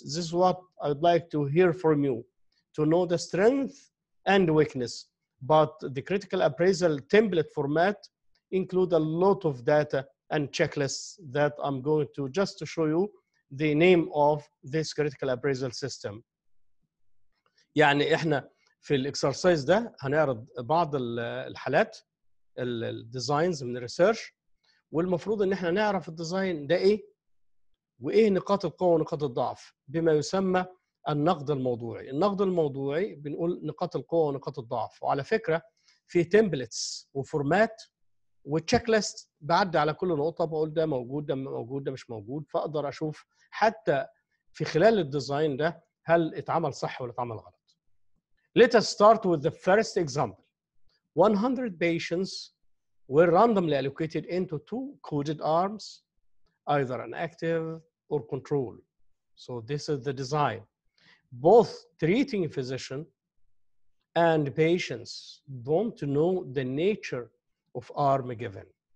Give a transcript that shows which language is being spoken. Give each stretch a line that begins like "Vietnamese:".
English: This is what I'd like to hear from you, to know the strength and weakness. But the critical appraisal template format include a lot of data and checklists that I'm going to just to show you the name of this critical appraisal system.
Arabic: يعني احنا في الاكسرسايز ده هنعرض بعض الحالات الديزاينز من الريسيرش والمفروض ان احنا نعرف الديزاين ده ايه وإيه نقاط القوة ونقاط الضعف بما يسمى النقد الموضوعي. النقد الموضوعي بنقول نقاط القوة ونقاط الضعف. وعلى فكرة في تيمبلتس وفورمات وتشيك ليست بعد على كل نقطة بقول ده موجود ده موجود ده مش موجود فأقدر أشوف حتى في خلال الديزاين ده هل اتعمل صح ولا اتعمل غلط.
English: Let us start with the first example. 100 patients were randomly allocated into two coded arms, either an active or control. So this is the design. Both treating physician and patients don't know the nature of arm given.